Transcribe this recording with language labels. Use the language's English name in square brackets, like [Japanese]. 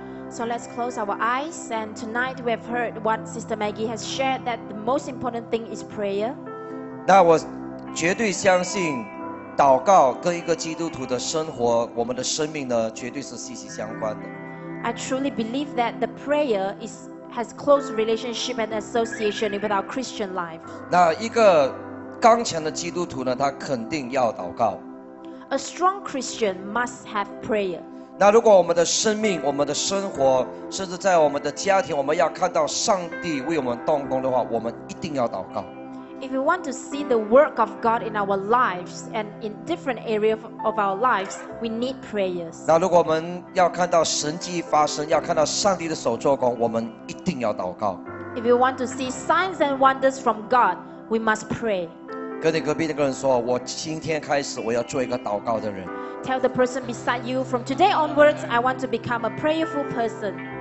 [English] So let's close our eyes, and tonight we have heard what Sister Maggie has shared that the most important thing is prayer. [Chinese] 那我绝对相信。祷告跟一个基督徒的生活，我们的生命呢，绝对是息息相关的。 [English] I truly believe that the prayer has close relationship and association with our Christian life. [Chinese] 那一个刚强的基督徒呢，他肯定要祷告。 [English] A strong Christian must have prayer. [Chinese] 那如果我们的生命、我们的生活，甚至在我们的家庭，我们要看到上帝为我们动工的话，我们一定要祷告。 [English] If we want to see the work of God in our lives and in different areas of our lives, we need prayers. [Chinese] 那如果我们要看到神迹发生，要看到上帝的手做工，我们一定要祷告。 [English] If we want to see signs and wonders from God, we must pray. [Chinese] 跟你隔壁那个人说，我今天开始我要做一个祷告的人。 [English] Tell the person beside you, from today onwards, I want to become a prayerful person.